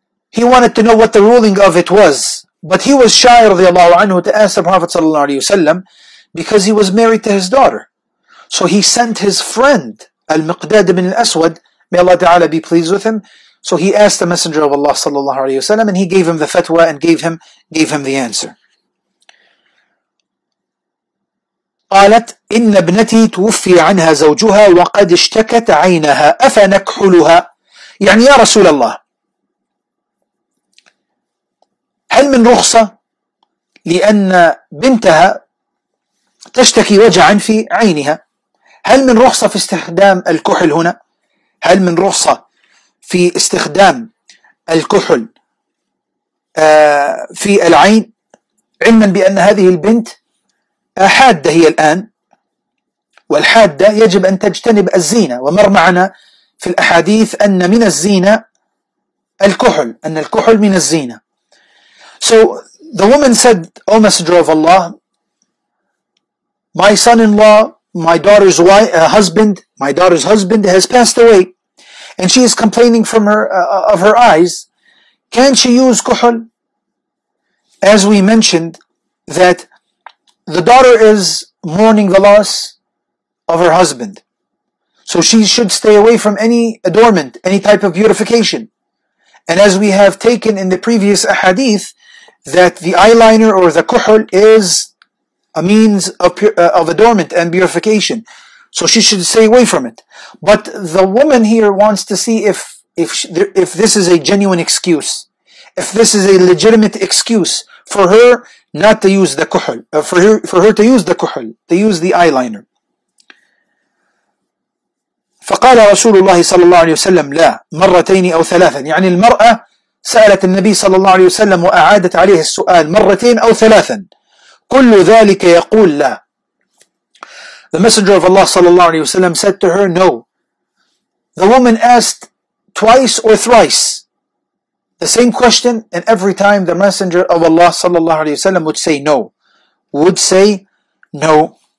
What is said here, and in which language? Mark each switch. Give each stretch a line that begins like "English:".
English: He wanted to know what the ruling of it was. But he was shy, radiallahu anhu, to ask the Prophet sallallahu alayhi wasallam, because he was married to his daughter. So he sent his friend, Al-Miqdad ibn al-Aswad, may Allah ta'ala be pleased with him. So he asked the Messenger of Allah sallallahu alayhi wasallam, and he gave him the fatwa and gave him the answer.
Arabic: قالت إن ابنتي توفي عنها زوجها وقد اشتكت عينها أفنكحلها يعني يا رسول الله هل من رخصة لأن بنتها تشتكي وجعا في عينها هل من رخصة في استخدام الكحل هنا هل من رخصة في استخدام الكحل في العين علما بأن هذه البنت حادة هي الآن والحادة يجب أن تجتنب الزينة ومر معنا في الأحاديث أن من الزينة
English: الكحل أن الكحل من الزينة So the woman said, O Messenger of Allah, my son-in-law, my daughter's wife, husband, my daughter's husband has passed away and she is complaining from her of her eyes. Can she use kuhl? As we mentioned that the daughter is mourning the loss of her husband. So she should stay away from any adornment, any type of beautification. And as we have taken in the previous ahadith, that the eyeliner or the kuhl is a means of adornment and beautification. So she should stay away from it. But the woman here wants to see if this is a genuine excuse, if this is a legitimate excuse for her not to use the kuhl, for her to use the kuhl, to use the eyeliner.
Arabic: فقال رسول الله صلى الله عليه وسلم لا مرتين أو ثلاثا يعني المرأة سألت النبي صلى الله عليه وسلم وأعادت عليه السؤال مرتين أو ثلاثا كل ذلك يقول لا.
English: The Messenger of Allah صلى الله عليه وسلم said to her no. The woman asked twice or thrice the same question, and every time the Messenger of Allah صلى الله عليه وسلم would say no.